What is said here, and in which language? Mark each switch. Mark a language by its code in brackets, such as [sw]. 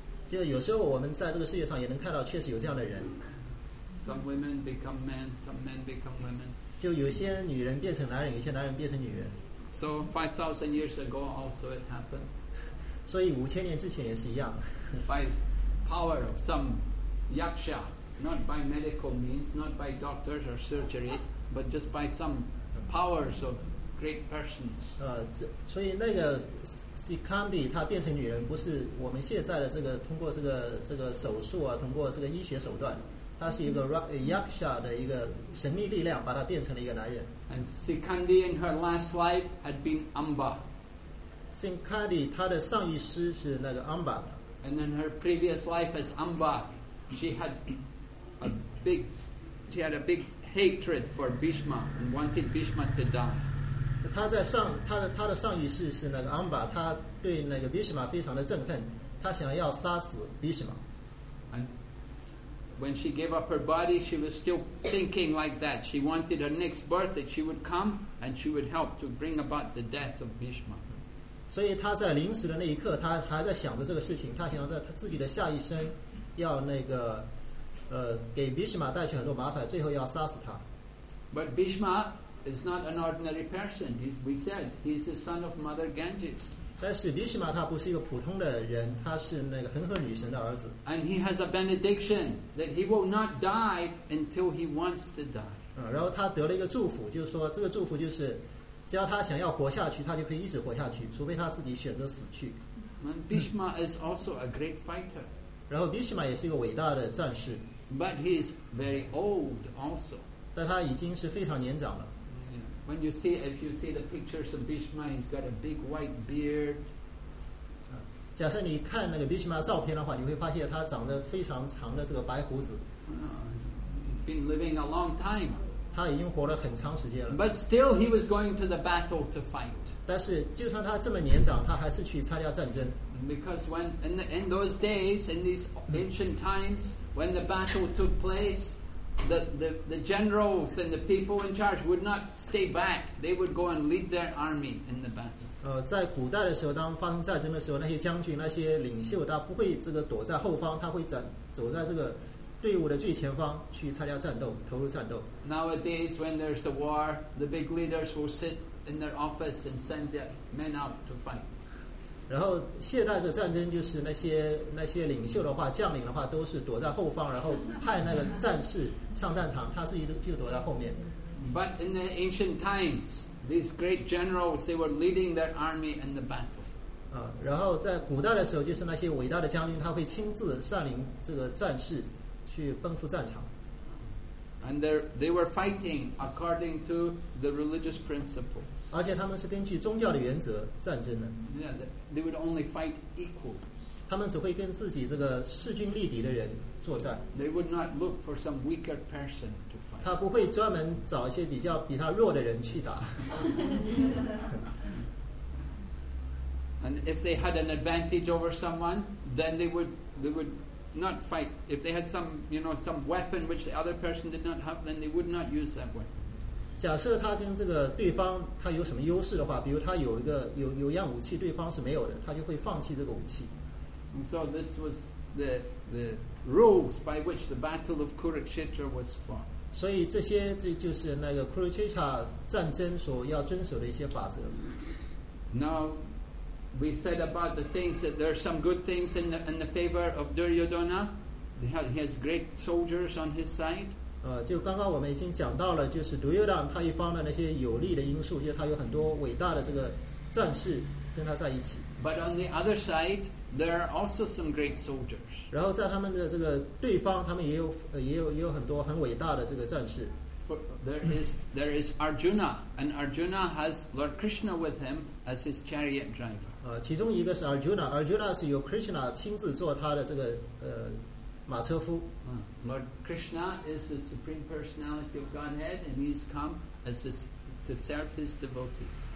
[zh] 就有时候我们在这个世界上也能看到，确实有这样的人。 [en] Some women become men, some men become women. [zh] 就有些女人变成男人，有些男人变成女人。 [en] So 5,000 years ago, also it happened. [zh] 所以五千年之前也是一样。 [en] By power of some yaksha, not by medical means, not by doctors or surgery, but just by some powers of great persons. [zh] 所以那个 Sikandi 她变成女人，不是我们现在的这个通过这个手术啊，通过这个医学手段。他是一个 Yaksha 的一个神秘力量，把他变成了一个男人。 [en] And Sikandi in her last life had been Amba. [zh] Sikandi 她的上一世是那个 Amba. [en] And in her previous life as Amba, she had a big hatred for Bhishma and wanted Bhishma to die. [zh] 她的上一世是那个 Amba, 她对那个 Bhishma 非常的憎恨，她想要杀死 Bhishma。 [en] When she gave up her body, she was still thinking like that. She wanted her next birth that she would come and she would help to bring about the death of Bhishma. [zh] 所以她在临死的那一刻，她还在想着这个事情。她想要在她自己的下一生，要那个，给 Bhishma 带去很多麻烦，最后要杀死他。 [en] But Bhishma is not an ordinary person. He's the son of Mother Ganges. [zh] 但是 Bhishma 他不是一个普通的人，他是那个恒河女神的儿子。 [en] And he has a benediction that he will not die until he wants to die. [zh] 然后他得了一个祝福，就是说这个祝福就是，只要他想要活下去，他就可以一直活下去，除非他自己选择死去。 [en] And Bhishma is also a great fighter. [zh] 然后 Bhishma 也是一个伟大的战士。 [en] But he is very old also. [zh] 但他已经是非常年长了。 [en] When you see, if you see the pictures of Bhishma, he's got a big white beard. [zh] 假设你看那个 Bhishma 照片的话，你会发现他长着非常长的这个白胡子。 [en] Been living a long time. [zh] 他已经活了很长时间了。 [en] But still, he was going to the battle to fight. [zh] 但是，就算他这么年长，他还是去参加战争。 [en] Because when in those days, in these ancient times, when the battle took place, the generals and the people in charge would not stay back. They would go and lead their army in the battle. [zh] 在古代的时候，当发生战争的时候，那些将军、那些领袖，他不会这个躲在后方，他会走在这个队伍的最前方去参加战斗，投入战斗。 [en] Nowadays, when there's a war, the big leaders will sit in their office and send their men out to fight. [zh] 然后现代的战争就是那些领袖的话，将领的话都是躲在后方，然后派那个战士上战场，他自己就躲在后面。 [en] But in the ancient times. These great generals, they were leading their army in the battle. [zh] 然后在古代的时候，就是那些伟大的将军，他会亲自率领这个战士去奔赴战场。 [en] And they were fighting according to the religious principle. [zh] 而且他们是根据宗教的原则战争的。 [en] Yeah, they would only fight equals. [zh] 他们只会跟自己这个势均力敌的人作战。 [en] They would not look for some weaker person. [zh] 他不会专门找一些比他弱的人去打。 [en] And if they had an advantage over someone, then they would not fight. If they had some weapon which the other person did not have, then they would not use that weapon. [zh] 假设他跟这个对方他有什么优势的话，比如他有样武器，对方是没有的，他就会放弃这个武器。 [en] And so this was the rules by which the battle of Kurukshetra was fought. [zh] 所以这些就是那个库鲁切特战争所要遵守的一些法则。 [en] Now, we said about the things that there are some good things in the favor of Duryodhana. He has great soldiers on his side. [zh] 就刚刚我们已经讲到了，就是 Duryodhana 他一方的那些有利的因素，就是他有很多伟大的这个战士跟他在一起。 [en] But on the other side. There are also some great soldiers. [zh] 然后在他们的这个对方，他们也有很多很伟大的这个战士。 [en] There is Arjuna, and Arjuna has Lord Krishna with him as his chariot driver. [zh] 其中一个是 Arjuna. Arjuna 是由 Krishna 亲自做他的这个马车夫。 [en] Lord Krishna is the supreme personality of Godhead, and he's come as to serve his devotee.